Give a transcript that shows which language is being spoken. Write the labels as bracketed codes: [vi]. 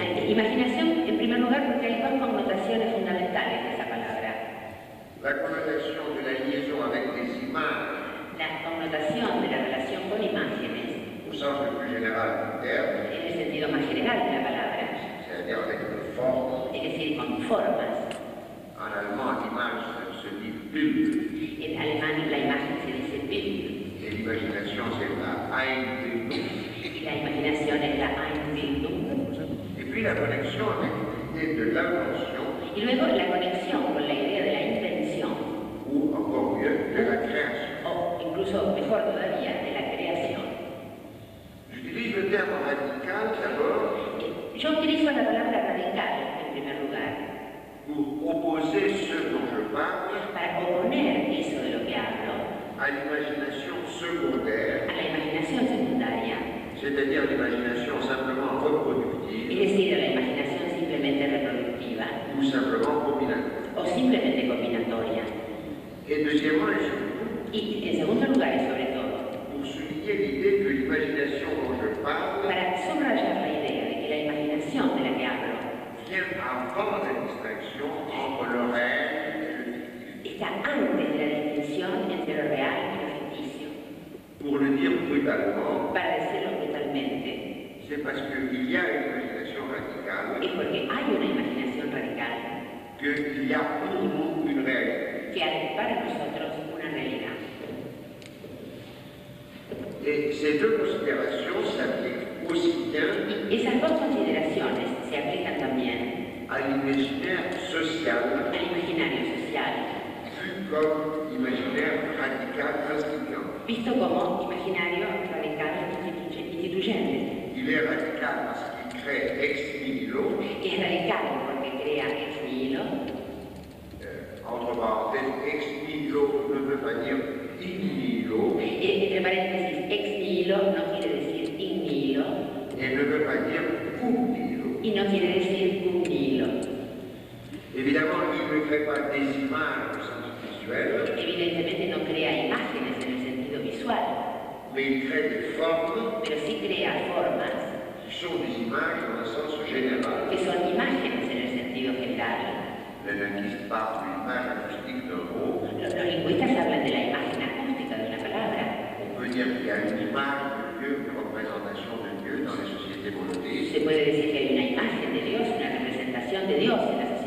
[es] Imaginación, en primer lugar, porque hay dos connotaciones fundamentales de esa palabra. La connotación de la [fr] liaison avec les images. [es] La connotación de la relación con imágenes. [fr] Au sens le plus général du terme. [es] En el sentido más general de la palabra. Es decir, con formas. En alemán, image se dice bild. En alemán, la imagen se dice bild. [fr] Et l'imagination, c'est la Einbildung. [es] La imaginación es la Einbildung. [fr] Et puis la connexion avec l'idée de l'invention. [es] Y luego la conexión con la idea de la invención. [fr] Ou encore mieux, de la création. [es] O incluso mejor todavía, de la creación. [fr] J'utilise le terme radical d'abord. [es] Yo utilizo la palabra radical en primer lugar. [fr] Pour opposer ce dont je parle, [es] para oponer eso de lo que hablo [fr] a l'imagination secondaire, [es] a la imaginación secundaria, [fr] c'est-à-dire l'imagination simplement reproductive, [es] es decir, la imaginación simplemente reproductiva, [fr] ou simplement combinatoria, [es] o simplemente combinatoria. [fr] Et deuxièmement, et surtout, [es] y en segundo lugar, y sobre todo, [fr] pour souligner l'idée que l'imagination dont je parle, [es] para subrayar la idea de que la imaginación de la que hablo [fr] avant la distinction entre le réel et le fictif. [es] Está antes de la distinción entre lo real y lo ficticio. [fr] Pour le dire brutalement, [es] para decirlo brutalmente, [fr] c'est parce qu'il y a une imagination radicale, [es] es porque hay una imaginación radical, [fr] que il y a pour nous une réalité, [es] que hay para nosotros una realidad. [fr] Et ces deux considérations s'appliquent aussi bien, [es] y esas dos consideraciones se aplican también [fr] à l'imaginaire social, [es] al imaginario social, [fr] vu comme imaginaire radical instituant, [es] visto como imaginario radical instituyente. [fr] Il est radical parce qu'il crée ex nihilo, [es] es radical porque crea ex nihilo. [fr] Entre parenthèses, ex nihilo ne veut pas dire in nihilo, [es] et entre paréntesis, ex nihilo no quiere decir in nihilo, [fr] et ne veut pas dire cum nihilo, [es] y no quiere decir cum nihilo. [fr] Évidemment, il ne crée pas des images au sens visuel. [es] Evidentemente no crea imágenes en el sentido visual. [fr] Mais il crée des formes. [es] Pero sí crea formas. [fr] Qui sont des images dans le sens général. [es] Que son imágenes en el sentido general. [fr] Les linguistes parlent de l'image acoustique d'un mot. [es] Los lingüistas hablan de la imagen acústica de una palabra. [fr] On peut dire qu'il y a une image de Dieu, une représentation de Dieu dans les sociétés monothéistes. [es] Se puede decir que hay una imagen de Dios, una representación de Dios en la sociedad.